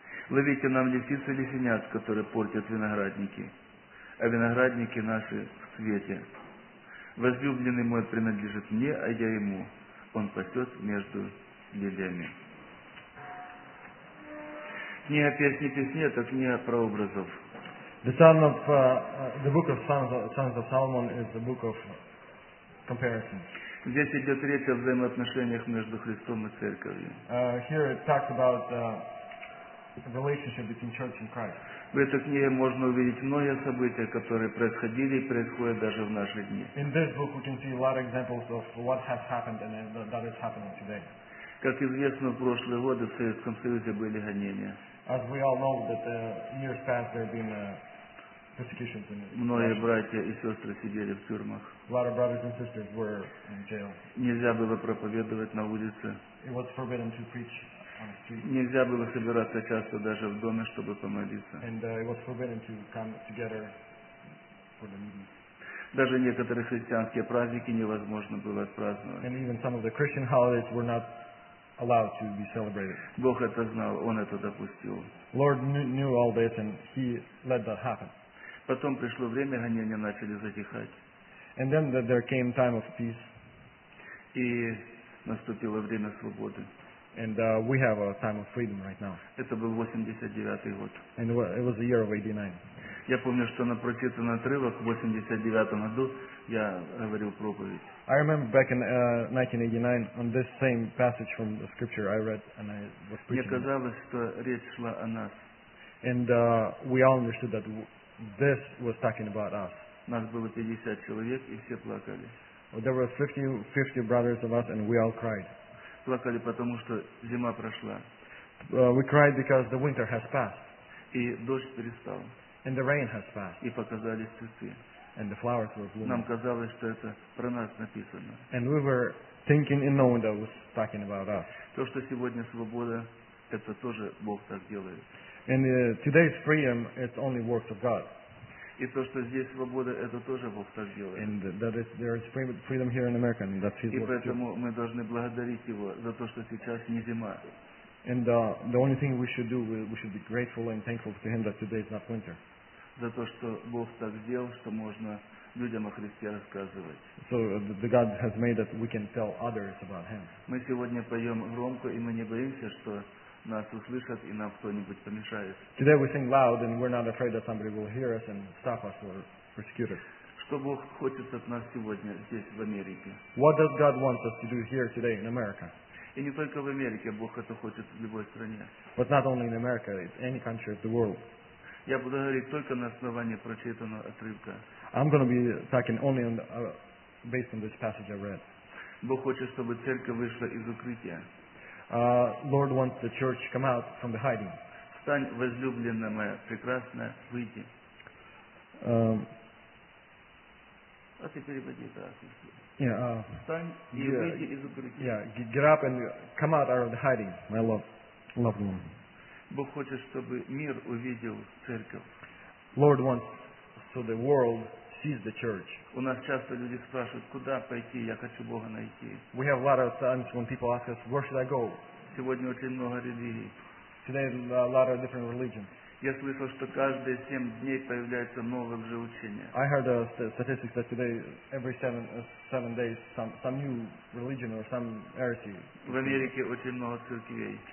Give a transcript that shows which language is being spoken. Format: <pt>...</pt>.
<ru>Ловите нам лисиц и лисенят, которые портят виноградники, а виноградники наши в цвете. Возлюбленный мой принадлежит мне, а я ему, он пасет между лилиями. Книга песни песни – это книга прообразов.</ru> <en>The Psalm of the book of Psalms of Solomon is the book of comparison.</en> <ru>Здесь идет речь о взаимоотношениях между Христом и Церковью.</ru> <en>Here it talks about relationship between church and Christ.</en> <ru>В этой книге можно увидеть многие события, которые происходили и происходят даже в наши дни.</ru> <en>In this book we can see a lot of examples of what has happened and that is happening today.</en> <ru>Как известно, в прошлые годы в Советском Союзе были гонения.</ru> <en>As we all know that years past there have been persecutions in Russia.</en> <ru>Многие братья и сестры сидели в тюрьмах.</ru> <en>A lot of brothers and sisters were in jail.</en> <ru>Нельзя было проповедовать на улице.</ru> <en>It was forbidden to preach.</en> <ru>Нельзя было собираться часто даже в доме, чтобы помолиться.</ru> <en>And it was forbidden to come together for the meeting.</en> <ru>Даже некоторые христианские праздники невозможно было отпраздновать.</ru> <en>And even some of the Christian holidays were not allowed to be celebrated.</en> <ru>Бог это знал, Он это допустил.</ru> <en>Lord knew all this and He let that happen.</en> <ru>Потом пришло время, гонения начали затихать.</ru> <en>And then there came time of peace.</en> <ru>И наступило время свободы.</ru> <en>And we have a time of freedom right now.</en> <ru>Это был 89-й год.</ru> <en>And it was the year of 89.</en> <ru>Я помню, что на прочитан отрывок в 89-м году я говорил проповедь.</ru> <en>I remember back in 1989 on this same passage from the scripture I read and I was preaching.</en> <ru>Мне казалось, что речь шла о нас.</ru> <en>And we all understood that this was talking about us.</en> <ru>Нас было 50 человек и все плакали.</ru> <en>There were 50 brothers of us and we all cried.</en> <ru>Плакали, потому что зима прошла.</ru> <en>We cried because the winter has passed.</en> <ru>И дождь перестал.</ru> <en>And the rain has passed.</en> <ru>И показались цветы.</ru> <en>And the flowers were blooming.</en> <ru>Нам казалось, что это про нас написано.</ru> <en>And we were thinking and knowing that it was talking about us.</en> <ru>То, что сегодня свобода, это тоже Бог так делает.</ru> <en>And today's freedom is only works of God.</en> <ru>И то, что здесь свобода, это тоже Бог так делает.</ru> <en>And that is, there is freedom here in America, and that's His work.</en> <ru>И поэтому мы должны благодарить Его за то, что сейчас не зима.</ru> <en>And the only thing we should do, we should be grateful and thankful to Him that today is not winter.</en> <ru>За то, что Бог так сделал, что можно людям о Христе рассказывать.</ru> <en>So the God has made that we can tell others about Him.</en> <ru>Мы сегодня поем громко, и мы не боимся, что нас услышат и нам кто-нибудь помешает.</ru> <en>Today we sing loud and we're not afraid that somebody will hear us and stop us or persecute us.</en> <ru>Что Бог хочет от нас сегодня здесь в Америке?</ru> <en>What does God want us to do here today in America?</en> <ru>И не только в Америке, Бог это хочет в любой стране.</ru> <en>But not only in America, it's any country of the world.</en> <ru>Я буду говорить только на основании прочитанного отрывка.</ru> <en>I'm going to be talking only on based on this passage I read.</en> <ru>Бог хочет, чтобы церковь вышла из укрытия.</ru> <en>Lord wants the church to come out from the hiding.</en> <ru>Стань, возлюбленная моя, прекрасная, выйди. А ты переводи это. Встань и выйди из укрытия.</ru> <en>Yeah, get up and come out of the hiding, my loved one.</en> <ru>Бог хочет, чтобы мир увидел церковь.</ru> <en>Lord wants so the world sees the church.</en> <ru>У нас часто люди спрашивают, куда пойти, я хочу Бога найти.</ru> <en>We have a lot of times when people ask us, where should I go?</en> <ru>Сегодня очень много религий.</ru> <en>Today a lot of different religions.</en> <ru>Я слышал, что каждые 7 дней появляется новое лжеучение.</ru> <en>I heard a statistic that today every 7 days some new religion or some heresy.</en> <ru>В Америке очень много церквей.</ru>